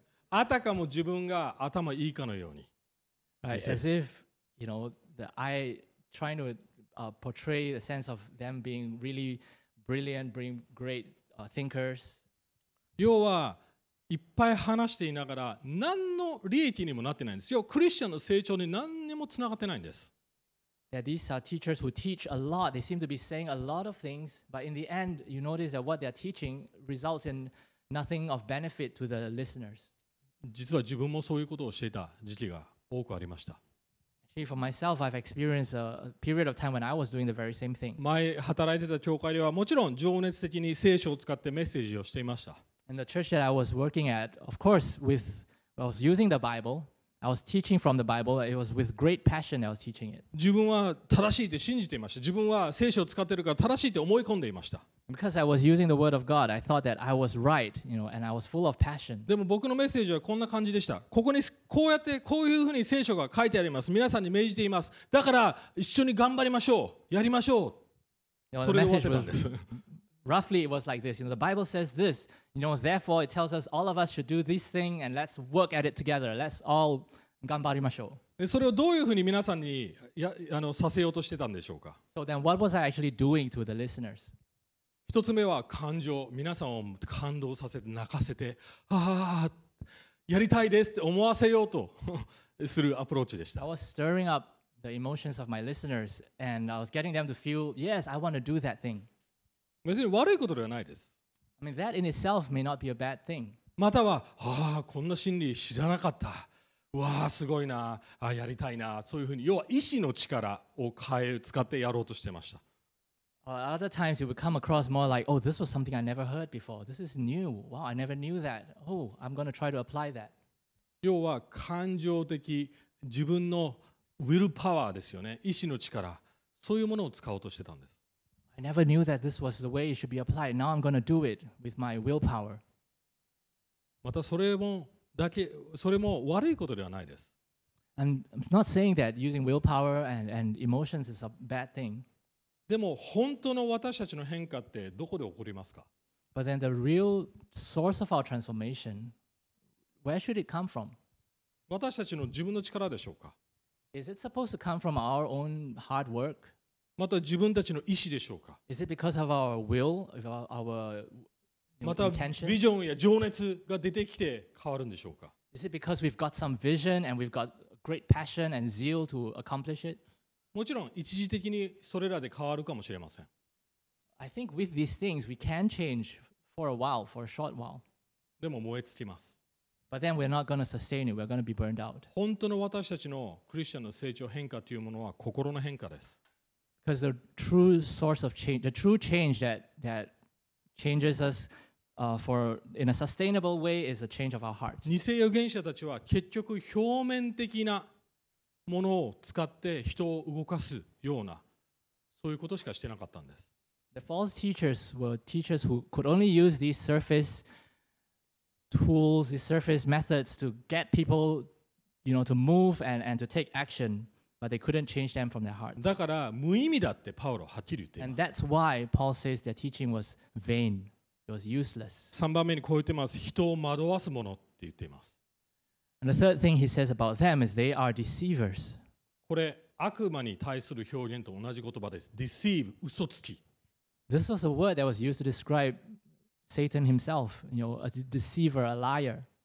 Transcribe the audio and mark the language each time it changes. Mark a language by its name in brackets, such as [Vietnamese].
[Japanese] あたかも自分が頭いいかのように。 [English] Right, as if, you know, I trying to portray the sense of them being really brilliant, being great thinkers. [Japanese] 要はいっぱい話していながら何の利益にもなってないんですよ。クリスチャンの成長に何にもつながってないんです。 [English] That these are teachers who teach a lot. They seem to be saying a lot of things, but in the end, you notice that what they're teaching results in nothing of benefit to the listeners. [Japanese] 実は自分もそういうことをしていた時期が多くありました。 [English] Actually, for myself, I've experienced a period of time when I was doing the very same thing. [Japanese] 前働いてた教会ではもちろん情熱的に聖書を使ってメッセージをしていました。 [English] And the church that I was working at, of course, with I was using the Bible, I was teaching from the Bible. It was with great passion I was teaching it. [Japanese] 自分は正しいって信じていました。自分は聖書を使っているから正しいって思い込んでいました。 [English] Because I was using the Word of God, I thought that I was right, you know, and I was full of passion. [Japanese] でも僕のメッセージはこんな感じでした。ここにこうやってこういうふうに聖書が書いてあります。皆さんに命じています。だから一緒に頑張りましょう。やりましょう。それで終わってたんです。 [English] Roughly, it was like this. You know, the Bible says this. You know, therefore, it tells us all of us should do this thing, and let's work at it together. Let's all [Japanese] 頑張りましょう。それをどういうふうに皆さんにさせようとしてたんでしょうか。 [English] So then, what was I actually doing to the listeners? [Japanese] 一つ目は感情。皆さんを感動させて、泣かせて、ああ、やりたいですって思わせようとするアプローチでした。 [English] I was stirring up the emotions of my listeners, and I was getting them to feel, yes, I want to do that thing. [Japanese] 別に悪いことではないです。 [English] I mean, that in itself may not be a bad thing. [Japanese] または、ああ、こんな真理知らなかった。わあ、すごいな。あ、やりたいな。そういうふうに、要は意志の力を変え、使ってやろうとしてました。 [English] Other times it would come across more like, oh, this was something I never heard before. This is new. Wow, I never knew that. Oh, I'm going to try to apply that. [Japanese] 要は感情的、自分のウィルパワーですよね。意志の力。そういうものを使おうとしてたんです。 [English] I never knew that this was the way it should be applied. Now I'm going to do it with my willpower. [Japanese] またそれもだけ、それも悪いことではないです。 [English] I'm not saying that using willpower and emotions is a bad thing. [Japanese] でも本当の私たちの変化ってどこで起こりますか? [English] But then the real source of our transformation, where should it come from? [Japanese] 私たちの自分の力でしょうか? [English] Is it supposed to come from our own hard work? [Japanese] また自分たちの意思でしょうか。 [English] Is it because of our will, of our intention? [Japanese] ビジョンや情熱が出てきて変わるんでしょうか。 [English] Is it because we've got some vision and we've got great passion and zeal to accomplish it? [Japanese] もちろん一時的にそれらで変わるかもしれません。 [English] I think with these things we can change for a while, for a short while. [Japanese] でも燃え尽きます。 [English] But then we're not going to sustain it. We're going to be burned out. [Japanese] 本当の私たちのクリスチャンの成長変化というものは心の変化です。 [English] Because the true source of change, the true change that changes us for in a sustainable way is the change of our hearts. [Japanese] 偽預言者たちは結局表面的なものを使って人を動かすようなそういうことしかしてなかったんです。 [English] The false teachers were teachers who could only use these surface tools, these surface methods to get people, you know, to move and to take action, but they couldn't change them from their hearts. [Japanese] だから無意味だってパウロはっきり言っています。 [English] And that's why Paul says their teaching was vain. It was useless. [Japanese] 3番目にこう言ってます。人を惑わすものって言っています。 [English] And the third thing he says about them is they are deceivers. [Japanese] これ悪魔に対する表現と同じ言葉です。 Deceive, 嘘つき。 [English] This was a word that was used to describe Satan himself, you know, a deceiver, a liar.